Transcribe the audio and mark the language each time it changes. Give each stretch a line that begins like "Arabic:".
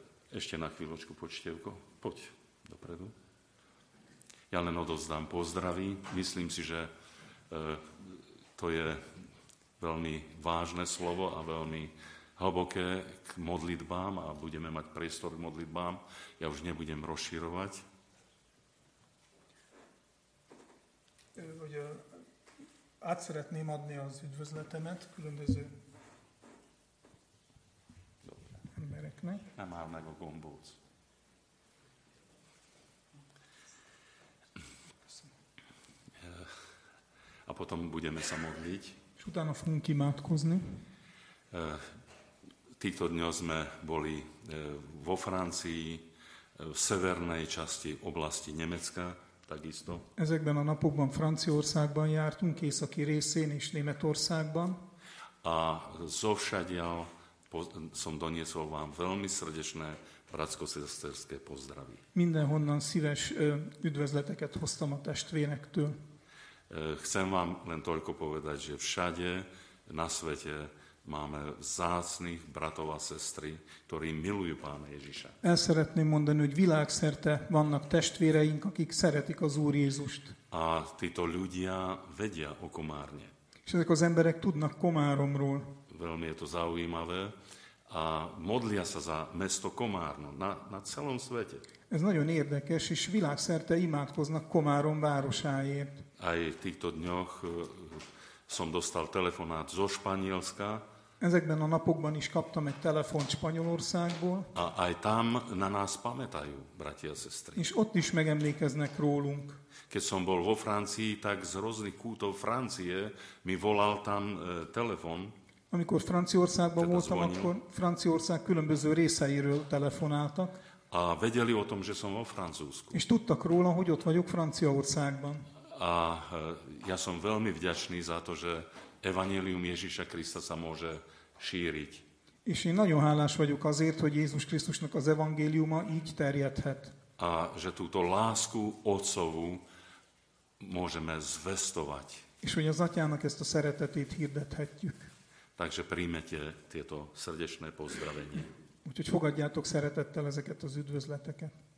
Slovak: Ešte na chvíľočku počtevko. Poď dopredu. Ja len odovzdám pozdravy. Myslím si, že to je veľmi vážne slovo a veľmi hlboké k modlitbám a budeme mať priestor k modlitbám. Ja už nebudem rozširovať.
Hungarian: Ugye, át szeretném adni az üdvözletemet különböző embereknek. Nem áll meg a gombóc.
Slovak: A potom budeme sa modliť.
Hungarian: És utána fogunk imádkozni.
Slovak: Týchto dňo sme boli vo Francii, v severnej časti oblasti Nemecka. Takisto.
Hungarian: Ezekben a napokban Franciaországban jártunk, északi részén és Németországban.
Slovak: A zovšadial som doniesol vám veľmi srdečné bratsko-sesterské pozdravy.
Hungarian: Mindenhonnan szíves üdvözleteket hoztam a testvérektől.
Slovak: Chcem vám len toľko povedať, že všade na svete máme vzácnych bratov a sestry, ktorí milujú Pána Ježiša.
Hungarian: El szeretném mondani, hogy világszerte vannak testvéreink, akik szeretik az Úr Jézust.
Slovak: A títo ľudia vedia o Komárne.
Hungarian: És ezek az emberek tudnak Komáromról.
Slovak: Veľmi je to zaujímavé. A modlia sa za mesto Komárno na celom svete.
Hungarian: Ez nagyon érdekes, és világszerte imádkoznak Komárom városáért.
Slovak: Aj v týchto dňoch som dostal telefonát zo Španielska.
Hungarian: Ezekben a napokban is kaptam egy telefont Spanyolországból.
Slovak: A aj tam na nás pamätajú, bratia a sestry.
Hungarian: És ott is megemlékeznek rólunk.
Slovak: Keď som bol vo Francii, tak z rôznych kútov Francie mi volal tam telefon.
Hungarian: Amikor Franciaországban
Slovak: teda
Hungarian: voltam,
Slovak: zvonil.
Hungarian: Akkor Franciaország különböző részeiről telefonáltak.
Slovak: A vedeli o tom, že som vo Francúzsku.
Hungarian: És tudtak róla, hogy ott vagyok Franciaországban.
Slovak: A ja som veľmi vďačný za to, že evanjelium Ježíša Krista sa môže šíriť.
Hungarian: És én nagyon hálás vagyok azért, hogy Jézus Krisztusnak az evangéliuma így terjedhet.
Slovak: A že túto lásku Otcovu môžeme zvestovať.
Hungarian: És hogy az Atyának ezt a szeretetét hirdethetjük.
Slovak: Takže príjmete tieto srdečné pozdravenie.
Hungarian: Úgyhogy fogadjátok szeretettel ezeket az üdvözleteket.